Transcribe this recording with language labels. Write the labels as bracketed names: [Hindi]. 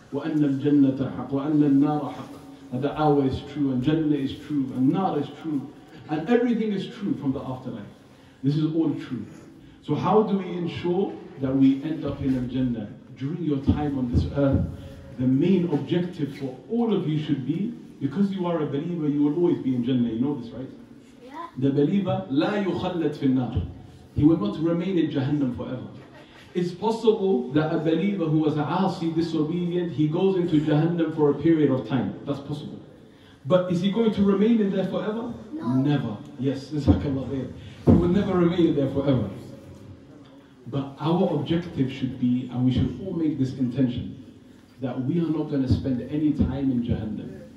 [Arabic] وَأَنَّ الْجَنَّةَ حَقٌّ, وَأَنَّ النَّارَ حَقٌّ, [English] that the hour is true, and Jannah is true, and Nar is true, and everything is true from the afterlife. This is all true. So how do we ensure that we end up in Al-Jannah? During your time on this earth, the main objective for all of you should be Because you are a believer, you will always be in Jannah. You know this, right? Yeah. The believer, [Arabic] لا يخلد في النار. [English] He will not remain in Jahannam forever. It's possible that a believer who was aasi, disobedient, he goes into Jahannam for a period of time. That's possible. But is he going to remain in there forever? No. Never. Yes, jazakallah. He will never remain in there forever. But our objective should be, and we should all make this intention, that we are not going to spend any time in Jahannam.